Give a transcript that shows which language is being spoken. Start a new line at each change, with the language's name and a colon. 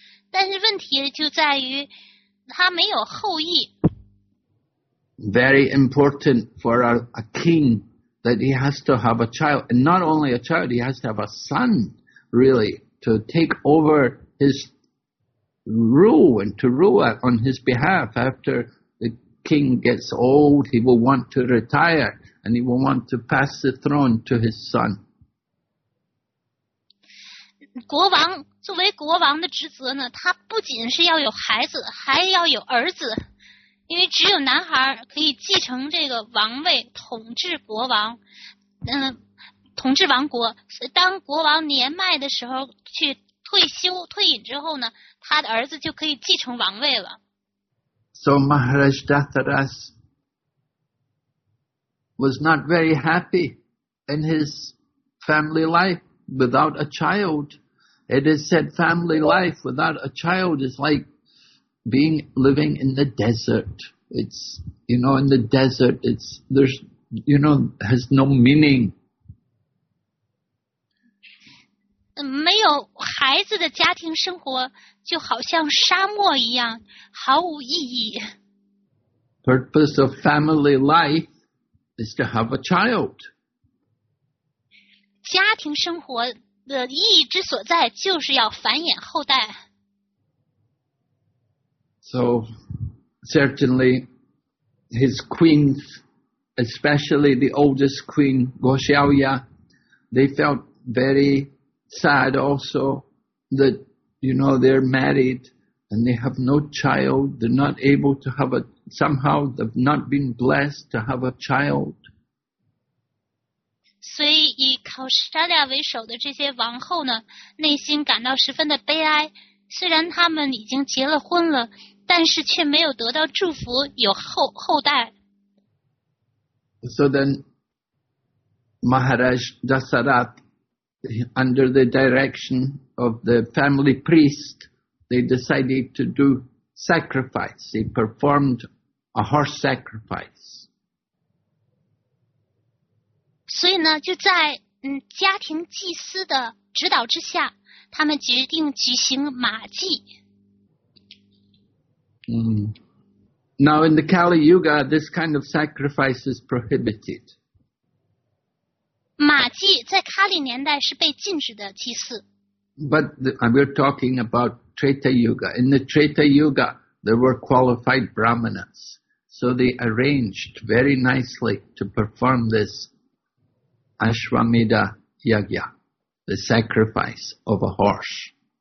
Chinese: 但是问题就在于他没有后裔。
English: Very important for a king that he has to have a child, and not only a child, he has to have a son, really, to take over his rule and to rule on his behalf. After the king gets old, he will want to retire and he will want to pass the throne to his son.
Chinese: 国王作为国王的职责呢，他不仅是要有孩子，还要有儿子，因为只有男孩可以继承这个王位，统治国王，统治王国。所以当国王年迈的时候去退休退隐之后呢，他的儿子就可以继承王位了。
English: So Maharaj Dasarath was not very happy in his family life without a child. It is said family life without a child is like living in the desert. It's, you know, in the desert, has no meaning.
Chinese: 没有孩子的家庭生活就好像沙漠一样，毫无意义。
English: Purpose of family life is to have a child.
Chinese: 家庭生活的意义之所在就是要繁衍后代。
English: So, certainly, his queens, especially the oldest queen, Goshalya, they felt very... sad also that, you know, they're married and they have no child. They're not able to have somehow they've not been blessed to have a child.
Chinese: 所以以 Kaushalya 为首的这些王后呢，内心感到十分的悲哀，虽然他们已经结了婚了，但是却没有得到祝福，有后代。
English: So then, Maharaj Dasarath, under the direction of the family priest, they decided to do sacrifice. They performed a horse sacrifice.
Chinese: 所以呢，就在家庭祭司的指导之下，他们决定举行马祭。
English: Now in the Kali Yuga, this kind of sacrifice is prohibited.
Chinese: 马祭在卡里年代是被禁止的祭祀。
English: But we're talking about Treta Yuga. In the Treta Yuga, there were qualified brahmanas. So they arranged very nicely to perform this Ashwamedha Yajna, the sacrifice of a horse.